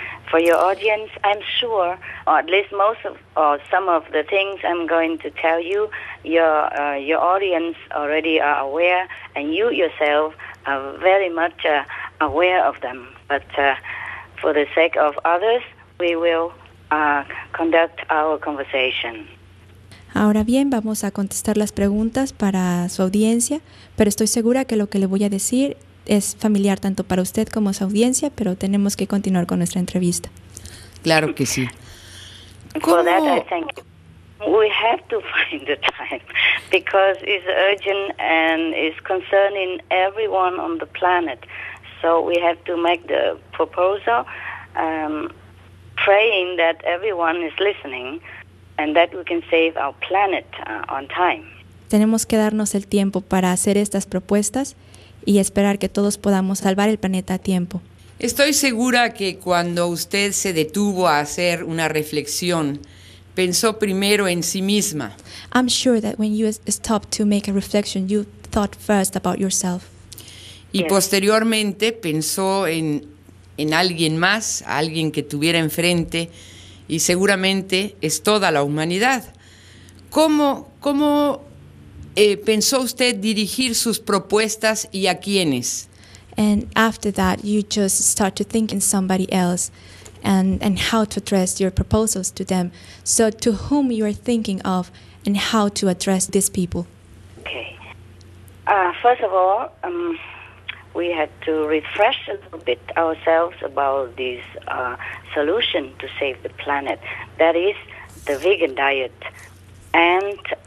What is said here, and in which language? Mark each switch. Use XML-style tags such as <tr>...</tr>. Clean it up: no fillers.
<en>For your audience, I'm sure, or at least most of, or some of the things I'm going to tell you, your audience already are aware, and you yourself are very much aware of them. But for the sake of others, we will conduct our conversation.</en> <es>Ahora bien, vamos a contestar las preguntas para su audiencia, pero estoy segura que lo que le voy a decir es familiar tanto para usted como su audiencia, pero tenemos que continuar con nuestra entrevista. Claro que sí.</es> <en>For that, I think we have to find the time because it's urgent and it's concerning everyone on the planet. So we have to make the proposal, praying that everyone is listening and that we can save our planet on time.</en> <es>Tenemos que darnos el tiempo para hacer estas propuestas y esperar que todos podamos salvar el planeta a tiempo. Estoy segura que cuando usted se detuvo a hacer una reflexión, pensó primero en sí misma.</es> <en>I'm sure that when you stopped to make a reflection, you thought first about yourself. Y yes.</en> <es>Posteriormente pensó en alguien más, alguien que tuviera enfrente, y seguramente es toda la humanidad. ¿Pensó usted dirigir sus propuestas y a quiénes?</es> <en>And after that, you just start to think in somebody else and how to address your proposals to them. So to whom you are thinking of and how to address these people? Okay. First of all, we had to refresh a little bit ourselves about this solution to save the planet. That is the vegan diet and</en>